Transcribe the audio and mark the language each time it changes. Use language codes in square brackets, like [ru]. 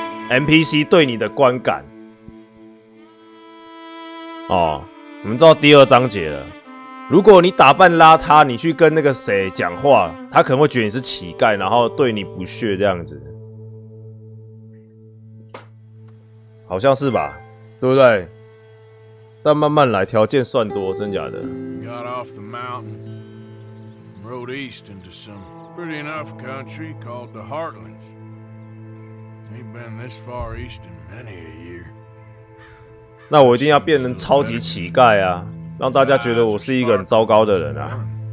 [zh] NPC 对你的观感哦，我们到第二章节了。如果你打扮邋遢，你去跟那个谁讲话，他可能会觉得你是乞丐，然后对你不屑这样子，好像是吧？对不对？但慢慢来，条件算多，真假的 [en] ？Got off the mountain, rode east into some pretty enough country called the Heartlands. Ain't been this far east in many a year. [zh] 那我一定要变成超级乞丐啊，让大家觉得我是一个很糟糕的人啊！